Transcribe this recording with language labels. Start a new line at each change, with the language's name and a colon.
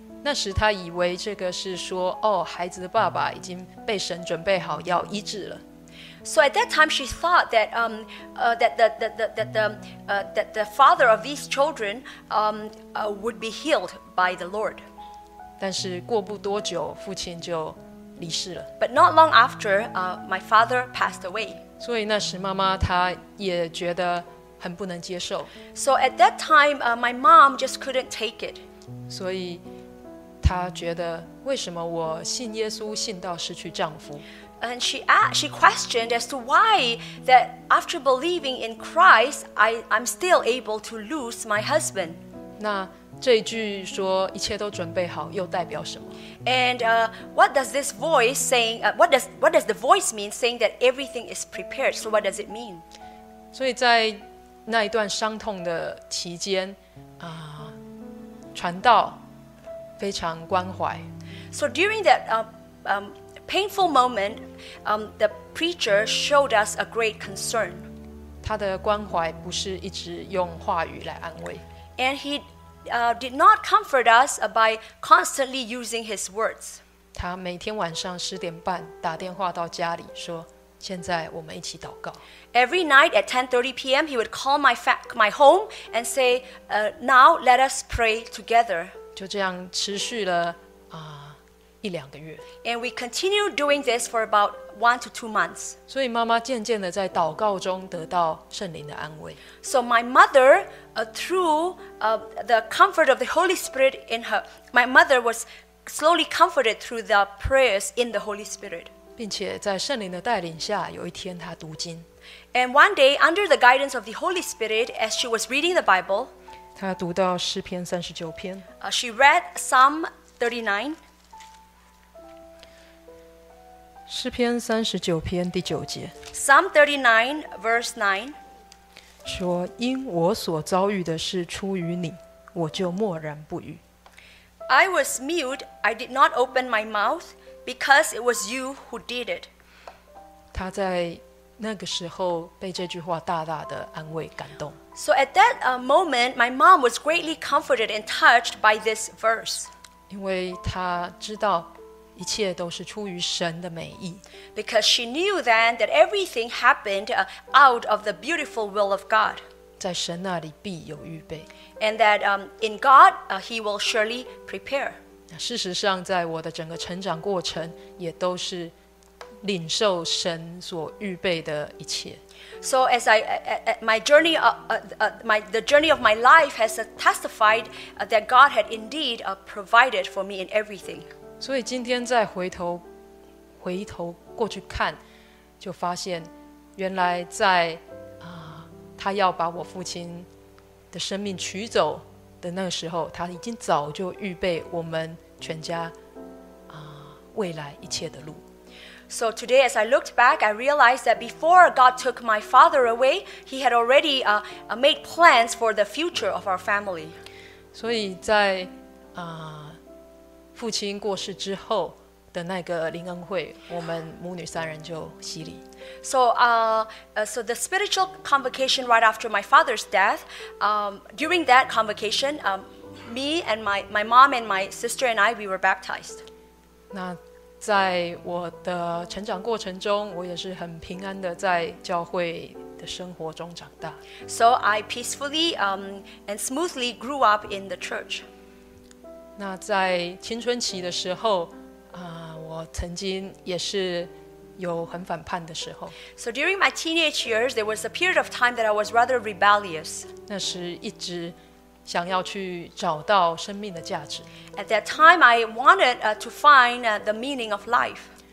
Chinese: 那时他以为这个是说，孩子的爸爸已经被神准备好要医治了。
English: So at that time she thought that the father of these children would be healed by the Lord.
Chinese: 但是过不多久，父亲就离世了。
English: But not long after, my father passed away.
Chinese: 所以那时妈妈她也觉得很不能接受。
English: So at that time, my mom just couldn't take it.
Chinese: 所以她觉得为什么我信耶稣信到失去丈夫。
English: And she questioned as to why that after believing in Christ, I'm still able to lose my husband.
Chinese: 那这一句说一切都准备好又代表什么？
English: And what does this voice saying, what does the voice mean saying that everything is prepared? So what does it mean?
Chinese: 所以在那一段伤痛的期间，传道非常关怀。
English: So during that painful moment, the preacher showed us a great concern.
Chinese: 他的关怀不是一直用话语来安慰。
English: And he did not comfort us by constantly using his words.
Chinese: 他每天晚上十点半打电话到家里说，现在我们一起祷告。
English: Every night at 10:30 p.m., he would call my home and say, now let us pray together.
Chinese: 就这样持续了一两个月。
English: And we continued doing this for about 1 to 2 months.
Chinese: 所以妈妈渐渐的在祷告中得到圣灵的安慰。
English: So my mother, through the comfort of the Holy Spirit in her, my mother was slowly comforted through the prayers in the Holy Spirit.
Chinese: 并且在圣灵的带领下，有一天她读经。
English: And one day, under the guidance of the Holy Spirit, as she was reading the Bible,
Chinese: 她读到诗篇39篇。
English: She read Psalm 39.
Chinese: 诗篇三十九篇第九节
English: Psalm 39 verse 9
Chinese: 说，因我所遭遇的事出于你，我就默然不语。
English: I was mute, I did not open my mouth, because it was you who did it.
Chinese: 他在那个时候被这句话大大的安慰感动。
English: So at that moment, my mom was greatly comforted and touched by this verse.
Chinese: 因为他知道一切都是出于神的美意。
English: Because she knew then that everything happened out of the beautiful will of God.
Chinese: 在神那里必有预备。
English: And that in God, he will surely prepare.
Chinese: 事实上在我的整个成长过程也都是领受神所预备的一切。
English: So as I, the journey of my life has testified that God had indeed provided for me in everything.
Chinese: 所以今天再回头过去看，就发现原来在他要把我父亲的生命取走的那个时候，他已经早就预备我们全家未来一切的路。
English: So today as I looked back, I realized that before God took my father away, he had already made plans for the future of our family.
Chinese: 所以在父亲过世之后的那个灵恩会，我们母女三人就洗礼。
English: So the spiritual convocation right after my father's death, during that convocation, me and my mom and my sister and I, we were baptized.
Chinese: 那在我的成长过程中，我也是很平安的在教会的生活中长大。
English: So I peacefully and smoothly grew up in the church.
Chinese: 那在青春期的时候我曾经也是有很反叛的时候。
English: So during my teenage years, there was a period of time that I was rather rebellious.
Chinese: 那时一直想要去找到生命的价值。
English: At that time, I wanted to find the meaning of life.